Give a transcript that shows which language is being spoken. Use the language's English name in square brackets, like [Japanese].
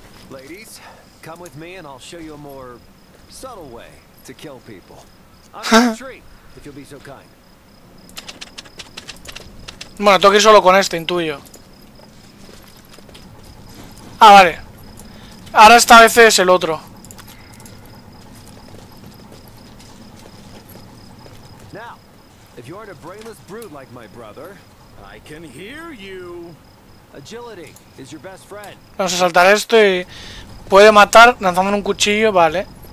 [English] Ladies, come with me and I'll show you a more subtle way to kill people. If you'll be so kind. [Spanish] Bueno, tengo que ir solo con este, intuyo. Ah, vale. Ahora esta vez es el otro. [English] Now, if you aren't a brainless brute like my brother, I can hear you. Agility is your best friend. [Spanish] Vamos a saltar esto y puede matar lanzando un cuchillo, vale.